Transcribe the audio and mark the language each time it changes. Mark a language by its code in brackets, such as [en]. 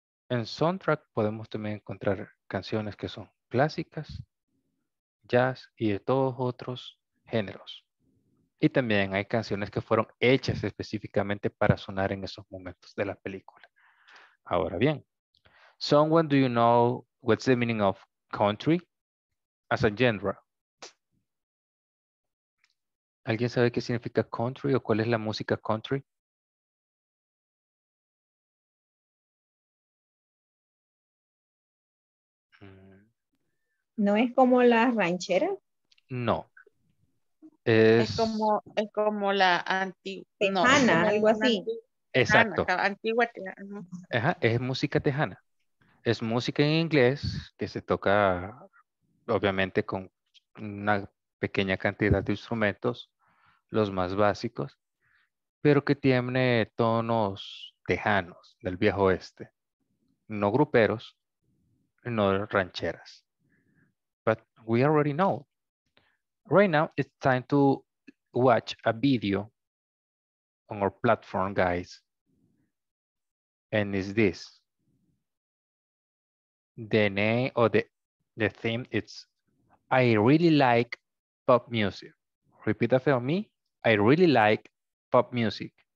[es] En soundtrack podemos también encontrar canciones que son clásicas, jazz y de todos otros géneros. Y también hay canciones que fueron hechas específicamente para sonar en esos momentos de la película. Ahora bien, [en] someone, do you know what's the meaning of country? As a genre. [es] ¿Alguien sabe qué significa country o cuál es la música country? ¿No es como la ranchera? No. Es como la tejana, no, algo así. Exacto. Antigua tejana. Ajá, es música tejana. Es música en inglés que se toca... obviamente con una pequeña cantidad de instrumentos, los más básicos, pero que tiene tonos tejanos del viejo oeste, no gruperos, no rancheras. [en] But we already know. Right now, it's time to watch a video on our platform, guys. And is this. The name or the theme is I really like pop music. Repeat after me. I really like pop music.